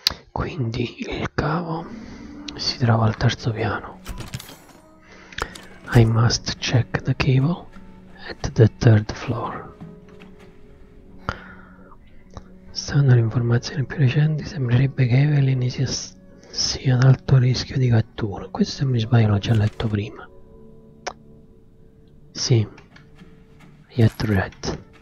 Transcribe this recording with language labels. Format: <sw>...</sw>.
<it>Quindi il cavo si trova al terzo piano.</it> <en>I must check the cable at the third floor.</en> <it>Stando alle informazioni più recenti, sembrerebbe che Evelyn sia ad alto rischio di cattura. Questo, se mi sbaglio, l'ho già letto prima. Sì. Yet red.</it>